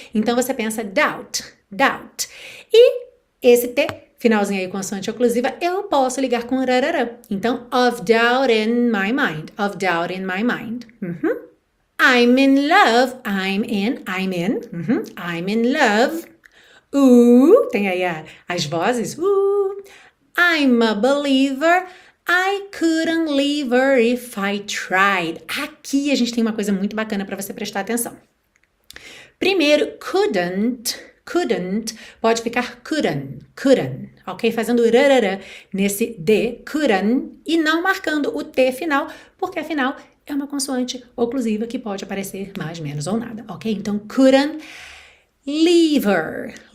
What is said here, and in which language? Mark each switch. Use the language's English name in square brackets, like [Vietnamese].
[Portuguese] Então você pensa doubt, doubt. E esse T, finalzinho aí com a consoante oclusiva, eu posso ligar com rarara. [English] Então, of doubt in my mind. Of doubt in my mind. I'm in love. I'm in. I'm in love. [Portuguese] Tem aí as vozes. [English] I'm a believer, I couldn't leave her if I tried. [Portuguese] Aqui a gente tem uma coisa muito bacana para você prestar atenção. Primeiro, couldn't, pode ficar couldn't, ok? Fazendo rarara nesse D, couldn't, e não marcando o T final, porque afinal é uma consoante oclusiva que pode aparecer mais, menos ou nada, ok? [English] Então, couldn't leave her.